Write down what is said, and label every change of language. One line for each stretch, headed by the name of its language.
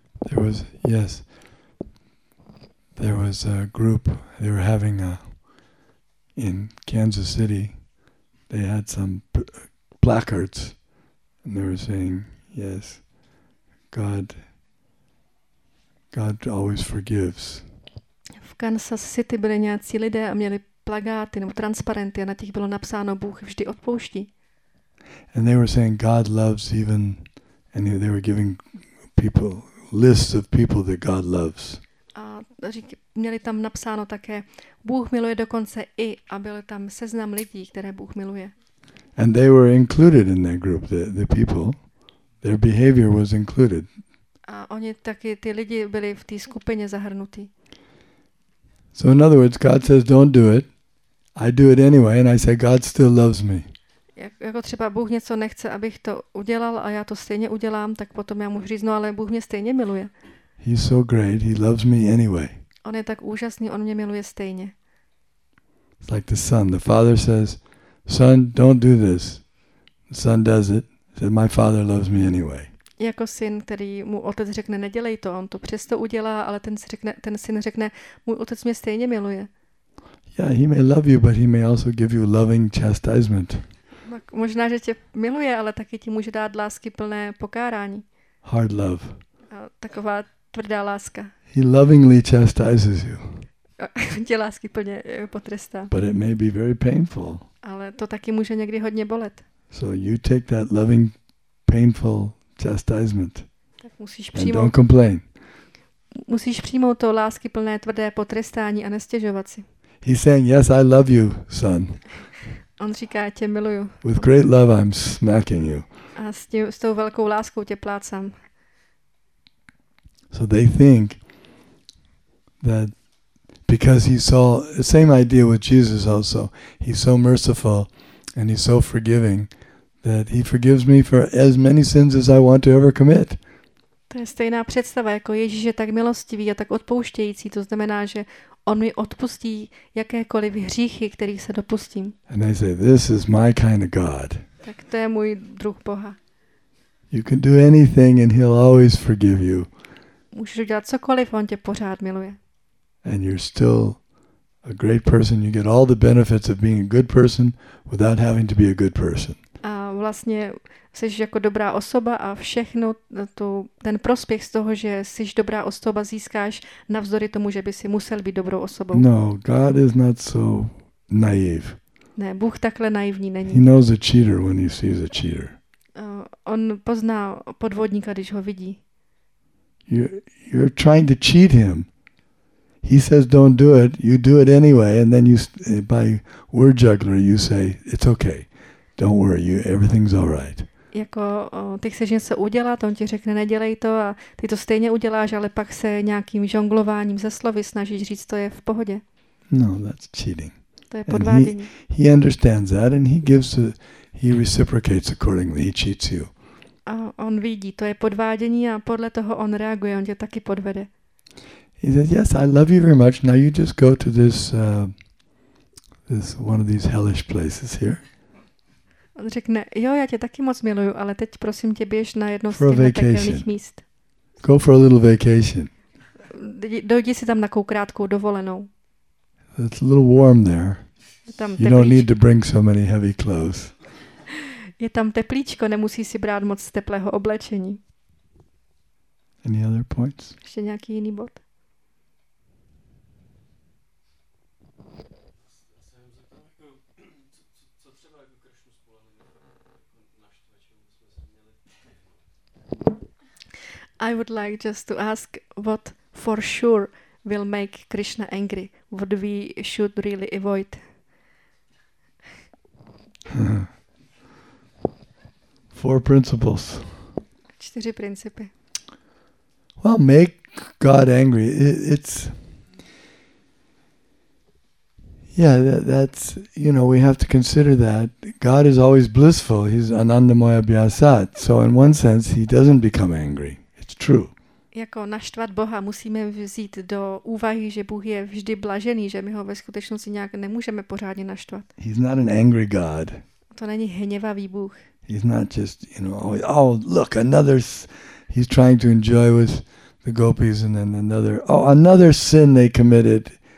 English: There was a group, they were having in Kansas City, they had some placards, and they were saying, yes, God always forgives.
Czech: V Kansas City byli nějací lidé a měli plakáty nebo transparenty a na těch bylo napsáno, Bůh vždy odpouští.
English: And they were saying, God loves even, and they were giving people, lists of people that God loves.
Czech: A měli tam napsáno také, Bůh miluje dokonce i, a byl tam seznam lidí, které Bůh miluje.
English: And they were included in that group, the people. Their behavior was included.
Czech: A oni taky, ty lidi byli v té skupině zahrnutí.
English: So in other words, God says, don't do it. I do it anyway, and I say, God still loves me.
Czech: Jako třeba Bůh něco nechce, abych to udělal, a já to stejně udělám, tak potom já mu říct, no ale Bůh mě stejně miluje.
English: He's so great, he loves me anyway.
Czech: On je tak úžasný, on mě miluje stejně.
English: It's like the son. The father says, son, don't do this. The son does it. He said, my father loves me anyway.
Czech: Jako syn, který mu otec řekne, nedělej to, on to přesto udělá, ale ten syn řekne, můj otec mě stejně miluje.
English: Yeah, he may love you, but he may also give you loving chastisement.
Czech: Tak možná, že tě miluje, ale taky ti může dát lásky plné pokárání.
English: Hard love.
Czech: Taková tvrdá láska.
English: He lovingly chastises you.
Czech: Tě lásky plně potrestá.
English: But it may be very painful.
Czech: Ale to taky může někdy hodně bolet.
English: So you take that loving, painful chastisement.
Czech: Tak musíš přijmout.
English: And don't complain.
Czech: Musíš přijmout to lásky plné tvrdé potrestání a nestěžovat si.
English: He's saying, yes, I love you, son.
Czech: On říká, tě miluju.
English: With great love, I'm smacking you.
Czech: A s tou velkou láskou tě plácám.
English: So they think that because he saw the same idea with Jesus also, he's so merciful and he's so forgiving that he forgives me for as many sins as I want to ever commit.
Czech: To je stejná představa, jako Ježíš je tak milostivý a tak odpouštějící, to znamená, že on mi odpustí jakékoliv hříchy, kterých se dopustím.
English: And I say, this is my kind of God.
Czech: Tak to je můj druh Boha.
English: You can do anything and he'll always forgive you.
Czech: Můžeš udělat cokoliv, on tě pořád miluje.
English: And you're still a great person. You get all the benefits of being a good person without having to be a good person.
Czech: A vlastně jsi jako dobrá osoba a všechno tu, ten prospěch z toho, že jsi dobrá osoba, získáš navzdory tomu, že by si musel být dobrou osobou.
English: No, God is not so naive.
Czech: Ne, Bůh takhle naivní není.
English: He knows a cheater when he sees a cheater.
Czech: On pozná podvodníka, když ho vidí.
English: You're trying to cheat him. He says, "Don't do it." You do it anyway, and then you, by word juggler, you say, "It's okay. Don't worry. You everything's all right."
Czech: Jako ty chceš něco udělat, on ti řekne, nedělej to, a ty to stejně uděláš, ale pak se nějakým žonglováním ze slovy snažíš říct, to je v pohodě.
English: No, that's cheating.
Czech: To je podvádění.
English: He understands that, and he reciprocates accordingly. He cheats you.
Czech: A on vidí, to je podvádění a podle toho on reaguje, on tě taky podvede.
English: He says, yes, I love you very much. Now you just go to this one of these hellish places here.
Czech: On řekne, jo, já tě taky moc miluju, ale teď prosím tě běž na jedno z těchto pekelných míst.
English: Go for a little vacation.
Czech: Dojdi si tam na krátkou dovolenou.
English: It's a little warm there.
Czech: Tam
English: you don't need to bring so many heavy clothes.
Czech: Je tam teplíčko, nemusí si brát moc teplého oblečení.
English: Any other points?
Czech: Ještě nějaký jiný bod?
English: I would like just to ask what for sure will make Krishna angry, what we should really avoid. Four principles.
Czech: Čtyři principy.
English: Well, make God angry. It's, yeah, that's, you know, we have to consider that God is always blissful. He's Anandamaya Vyasat. So in one sense, he doesn't become angry. True.
Czech: Jako naštvat Boha musíme vzít do úvahy, že Bůh je vždy blažený, že my ho ve skutečnosti nějak nemůžeme pořádně naštvat.
English: He's not an angry God.
Czech: To není hněvavý Bůh.
English: He's not just, you know, always, oh, look, another, he's trying to enjoy with the gopis and then another, oh, another sin they committed.